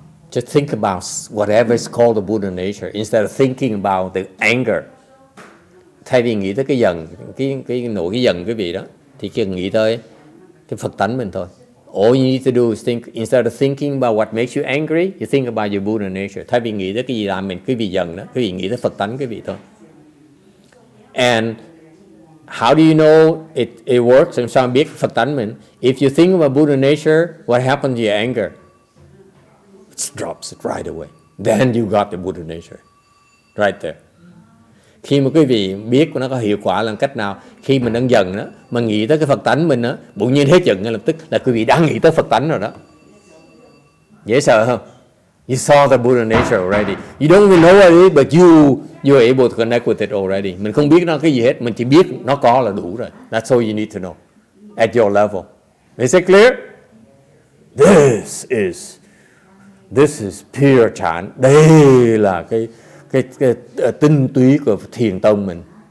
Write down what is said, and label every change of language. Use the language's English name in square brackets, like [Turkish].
[English] Just think about whatever is called the Buddha nature instead of thinking about the anger. [Vietnamese] Thay vì nghĩ tới cái giận, cái nỗi cái giận quý vị đó, thì cứ nghĩ tới cái Phật tánh mình thôi. [English] All you need to do is think, instead of thinking about what makes you angry, you think about your Buddha nature. [Vietnamese] Thay vì nghĩ tới cái gì làm mình quý vị giận đó, quý vị nghĩ tới Phật tánh quý vị thôi. [English] And how do you know it works? And some [Vietnamese] biết Phật tánh mình. [English] If you think about Buddha nature, what happens to your anger? It drops it right away. Then you got the Buddha nature. Right there. [Vietnamese] Khi mà quý vị biết nó có hiệu quả làm cách nào, khi mình đang giận đó, mà nghĩ tới cái Phật tánh mình đó, bỗng nhiên hết giận ngay lập tức là quý vị đang nghĩ tới Phật tánh rồi đó. Dễ sợ không? [English] You saw the Buddha nature already. You don't even know what it is, but you are able to connect with it already. [Vietnamese] Mình không biết nó cái gì hết, mình chỉ biết nó có là đủ rồi. [English] That's all you need to know. At your level. Is it clear? This is pure chan. [Vietnamese] Đây là cái tinh túy của thiền tông mình.